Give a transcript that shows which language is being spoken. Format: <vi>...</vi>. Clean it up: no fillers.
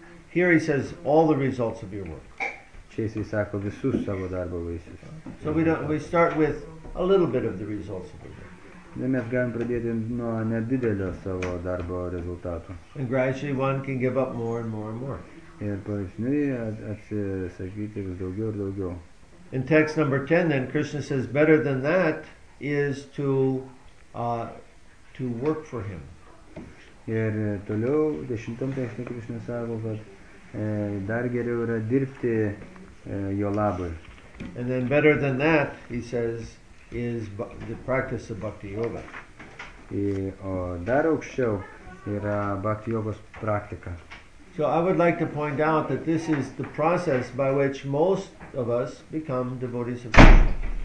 <en>Here he says, all the results of your work.</en> <lt>Čia jisai sako, visus savo darbo vaisius.</lt> <en>So we start with a little bit of the results of your work.</en> <lt>Mes galim pradėti nuo nedidelio savo darbo rezultatų.</lt> <en>And gradually one can give up more and more and more.</en> <lt>Ir palaipsniui atsisakyti vis daugiau ir daugiau.</lt> <en>In text number 10 then Krishna says better than that is to work for him.</en> <lt>Ir toliau 10 tekste Krishna sako, kad dar geriau yra dirbti jo labui.</lt> <en>And then better than that, he says, is the practice of bhakti yoga.</en> <lt>O dar aukščiau yra bhakti yogos praktika.</lt> <en>So I would like to point out that this is the process by which most of us become devotees of Krishna.</en>